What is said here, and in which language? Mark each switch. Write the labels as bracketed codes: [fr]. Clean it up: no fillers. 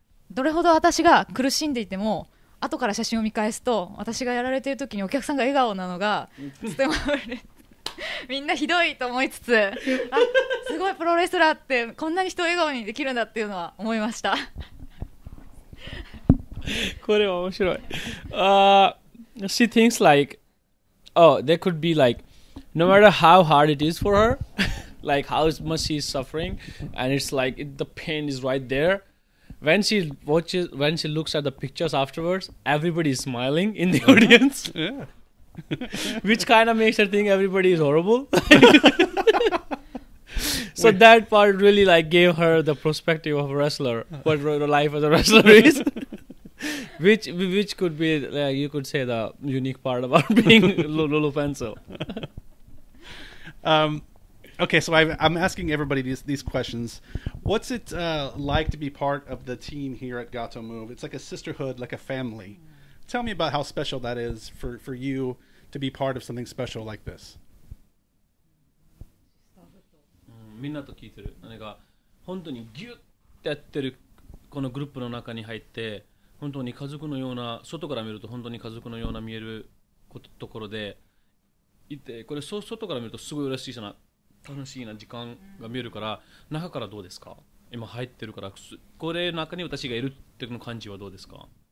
[ja] どれほど私が苦しんでいても、後から写真を見返すと、私がやられている時にお客さんが笑顔なのが、とても嬉しい。みんなひどいと思いつつ、あ、すごいプロレスラーってこんなに人を笑顔にできるんだっていうのは思いました。これは面白い。 [en] She thinks like, oh, there could be like, no matter how hard it is for her, like how much she's suffering, and it's like the pain is right there. When she looks at the pictures afterwards, everybody is smiling in the audience. Yeah. Which kind of makes her think everybody is horrible. So that part really like gave her the perspective of a wrestler, what life as a wrestler is. which could be, like, you could say, the unique part about being Lulu Pencil. Okay, so I'm asking everybody these questions. What's it like to be part of the team here at Gatoh Move? It's like a sisterhood, like a family. Tell me about how special that is for you to be part of something special like this. [ja] みんなと聞いてる。なんか本当にギュってやってるこのグループの中に入って、本当に家族のような外から見ると本当に家族のような見えるところでいて、これ外から見るとすごい嬉しいじゃない。楽しいな時間が見えるから、中からどうですか？今入ってるから、これ中に私がいるっていうの感じはどうですか？